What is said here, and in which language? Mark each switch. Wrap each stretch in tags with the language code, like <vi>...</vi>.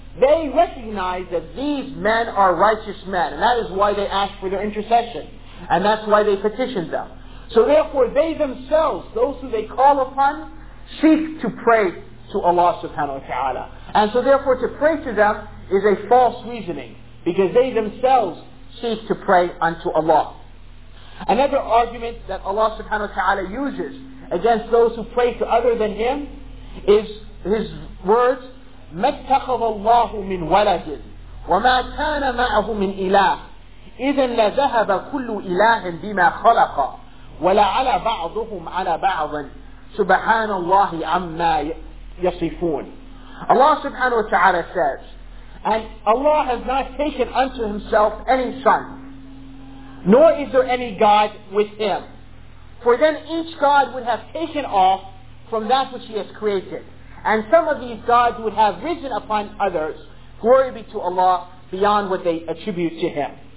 <en>they recognize that these men are righteous men, and that is why they ask for their intercession, and that's why they petition them. So therefore, they themselves, those who they call upon, seek to pray to Allah subhanahu wa ta'ala. And so therefore, to pray to them is a false reasoning, because they themselves seek to pray unto Allah. Another argument that Allah subhanahu wa ta'ala uses against those who pray to other than Him is His words,</en> <ar>مَا اتَّخَذَ اللَّهُ مِنْ وَلَدٍ وَمَا كَانَ مَعَهُ مِنْ إِلَهِ إِذًا لَذَهَبَ كُلُّ إِلَهٍ بِمَا خَلَقَ وَلَعَلَى بَعْضُهُمْ عَلَى بَعْضٍ سُبْحَانَ اللَّهِ عَمَّا يَصِفُونَ.</ar> <en>Allah subhanahu wa ta'ala says, and Allah has not taken unto Himself any son, nor is there any God with Him. For then each God would have taken off from that which He has created, and some of these gods would have risen upon others, glory be to Allah, beyond what they attribute to Him.</en>